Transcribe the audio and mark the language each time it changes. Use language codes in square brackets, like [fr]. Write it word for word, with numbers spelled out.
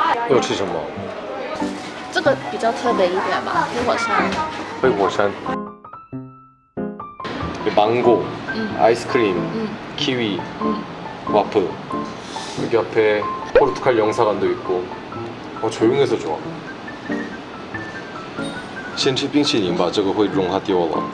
[ko] 이거 [zh] 吃什么? 这个比较特别一点吧，黑火山。黑火山。有芒果，嗯， ice cream， 嗯 ，kiwi， 嗯， waffle。 [ko] 여기앞에 포르투갈 영사관도 있고, 어 조용해서 좋아. [zh] 先吃冰淇淋吧，这个会融化掉了。